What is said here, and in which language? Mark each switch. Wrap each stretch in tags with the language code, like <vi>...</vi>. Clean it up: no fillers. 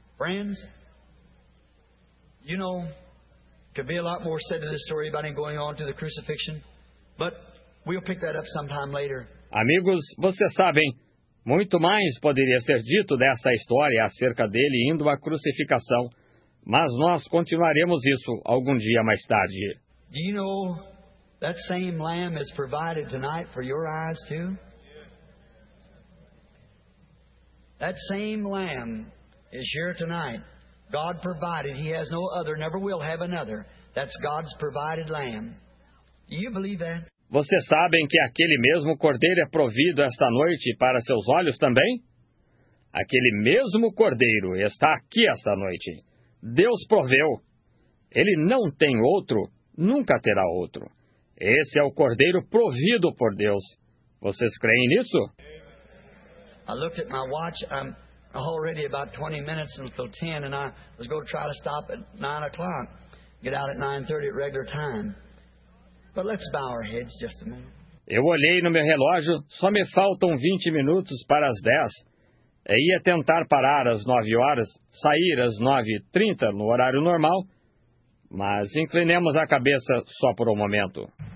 <en>Friends, you know, could be a lot more said to this story about him going on to the crucifixion, but we'll pick that up sometime later.</en> <pt>Amigos, vocês sabem, muito mais poderia ser dito dessa história acerca dele indo à crucificação, mas nós continuaremos isso algum dia mais tarde.</pt> <en>Do you know that same lamb is provided tonight for your eyes too? That same lamb is here tonight. God provided. He has no other, never will have another. That's God's provided lamb. Do you believe that?</en> <pt>Vocês sabem que aquele mesmo cordeiro é provido esta noite para seus olhos também? Aquele mesmo cordeiro está aqui esta noite. Deus proveu. Ele não tem outro, nunca terá outro. Esse é o cordeiro provido por Deus. Vocês creem nisso?</pt> <en>I looked at my watch. I'm already about 20 minutes until 10, and I was going to try to stop at 9 o'clock, get out at 9:30 at regular time. But let's bow our heads just a minute.</en> <pt>Eu olhei no meu relógio, só me faltam 20 minutos para as 10. Eu ia tentar parar às 9 horas, sair às 9:30 no horário normal, mas inclinemos a cabeça só por um momento.</pt>